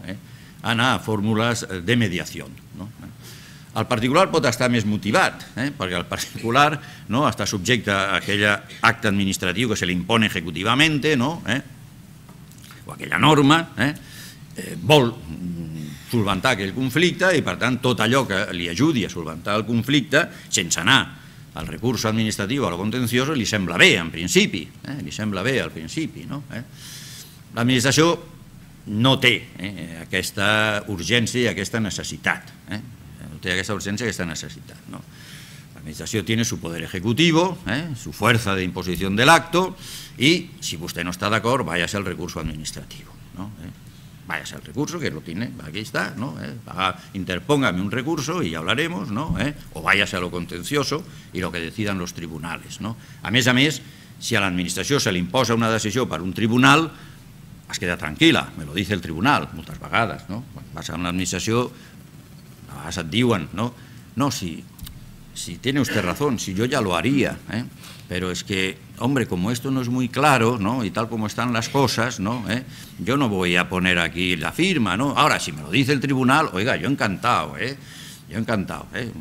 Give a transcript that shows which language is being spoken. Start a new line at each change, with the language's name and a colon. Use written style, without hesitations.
Catalan: A anar a fórmules de mediació, no? El particular pot estar més motivat, perquè el particular, no, està subjecte a aquell acte administratiu que se li
Spanish: impone ejecutivamente,
Catalan: no, o aquella norma, vol solventar aquell conflicte i, per tant, tot allò que li ajudi a solventar el conflicte, sense anar al recurs administratiu o al contenciós, li sembla bé, en principi, li sembla bé al principi. No, l'administració no té aquesta urgència i aquesta necessitat, té aquesta urgència, aquesta necessitat. No?
Spanish: L'administració tiene su poder ejecutivo, su fuerza de imposición del acto, y si
Catalan: vostè no
Spanish: está d'acord, váyase al recurso administrativo. No? Váyase al recurso, que lo tiene, aquí está, no? Interpóngame un recurso y hablaremos, no? O váyase a lo contencioso y lo que decidan los tribunales. No?
Catalan: A més, si a l'administració se li imposa una decisió per un tribunal, es queda tranquil·la,
Spanish: me lo dice el tribunal,
Catalan: moltes vegades. No? Quan vas a l'administració, a vegades et diuen,
Spanish: no, no, si tiene usted razón, si yo ya lo haría, pero es que, hombre, como esto no es muy claro, no, y tal como están las cosas, no, yo no voy a poner aquí la firma, no. Ahora, si me lo dice el tribunal, oiga, yo encantado, Yo encantado, ¿eh?